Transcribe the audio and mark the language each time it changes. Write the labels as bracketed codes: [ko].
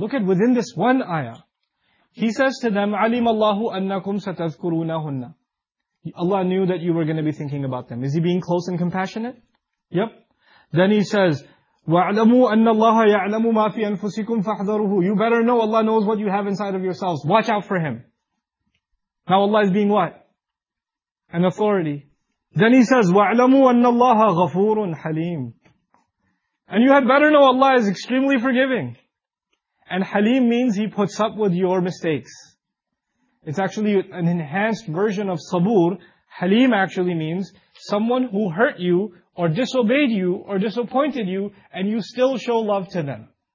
[en] Look at within this one ayah. He says to them, [ar] عَلِمَ اللَّهُ أَنَّكُمْ سَتَذْكُرُونَهُنَّ. [en] Allah knew that you were going to be thinking about them. Is He being close and compassionate? Yep. Then He says, [ar] وَعْلَمُوا أَنَّ اللَّهَ يَعْلَمُ مَا فِي أَنفُسِكُمْ فَاحْذَرُهُ. [en] You better know Allah knows what you have inside of yourselves. Watch out for Him. Now Allah is being what? An authority. Then he says, [ar] وَعْلَمُوا أَنَّ اللَّهَ غَفُورٌ حَلِيمٌ. [en] And you had better know Allah is extremely forgiving. And Haleem means He puts up with your mistakes. It's actually an enhanced version of Sabur. Haleem actually means someone who hurt you or disobeyed you or disappointed you and you still show love to them.